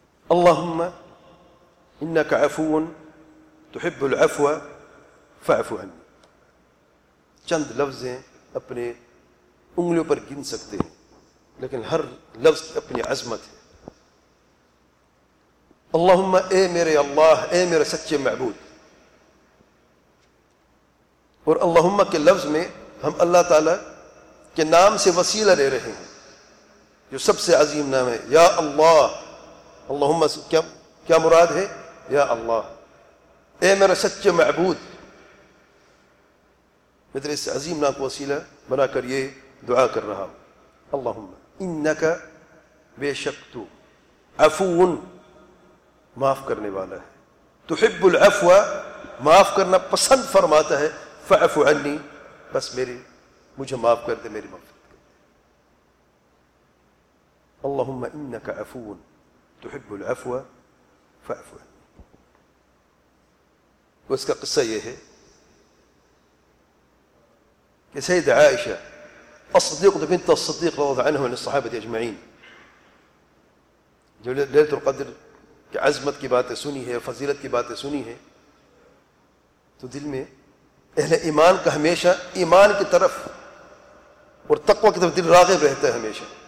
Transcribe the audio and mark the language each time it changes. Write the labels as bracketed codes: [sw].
[ar] اللهم إنك عفو تحب العفو فاعف عني. [ur] چند لفظ ہیں اپنے انگلیوں پر گن سکتے ہیں لیکن ہر لفظ اپنی عظمت ہے. اللهم اے میرے اللہ, اے میرے سچے معبود. اور اللهم کے لفظ میں ہم اللہ تعالی کے نام سے وسیلہ لے رہے ہیں جو سب سے عظیم نام ہے. یا اللہ, اللهم کیا مراد ہے؟ یا اللہ, اے میرے سچے معبود, میرے اس عظیم نام کو وسیلہ بنا کر یہ دعا کر رہا ہوں. [ar] اللهم انك [ur] بے شک تو عفو معاف کرنے والا ہے, [ar] تحب العفو [ur] معاف کرنا پسند فرماتا ہے, [ar] فاعف عنی [ur] بس میری مجھے معاف کر دے, میری مغفرت کر دے. [ar] اللهم انك عفو تحب العفو فاعف عنی. [ur] اس کا قصہ یہ ہے کہ سید عائشہ الصدیق بنت الصدیق رضی اللہ عنہ الصحابہ اجمعین جو لیلۃ القدر کی عظمت کی باتیں سنی ہے, فضیلت کی باتیں سنی ہے, تو دل میں اہل ایمان کا ہمیشہ ایمان کی طرف اور تقوی کی طرف دل راغب رہتا ہے ہمیشہ.